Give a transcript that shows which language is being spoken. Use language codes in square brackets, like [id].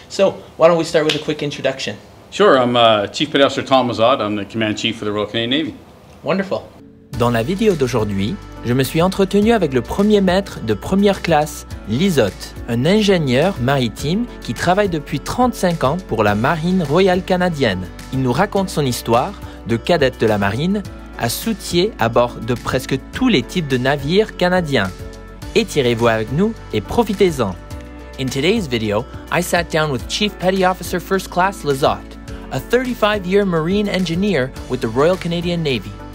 [en] So why don't we start with a quick introduction? Sure, I'm Chief Petit Officer Tom Lizotte. I'm the Command Chief for the Royal Canadian Navy. Wonderful. [fr] Dans la vidéo d'aujourd'hui, je me suis entretenu avec le premier maître de première classe, Lizotte, un ingénieur maritime qui travaille depuis 35 ans pour la Marine Royale Canadienne. Il nous raconte son histoire de cadette de la Marine à soutier à bord de presque tous les types de navires canadiens. Étirez-vous avec nous et profitez-en. [en] In today's video, I sat down with Chief Petty Officer First Class Lizotte, a 35-year Marine engineer with the Royal Canadian Navy.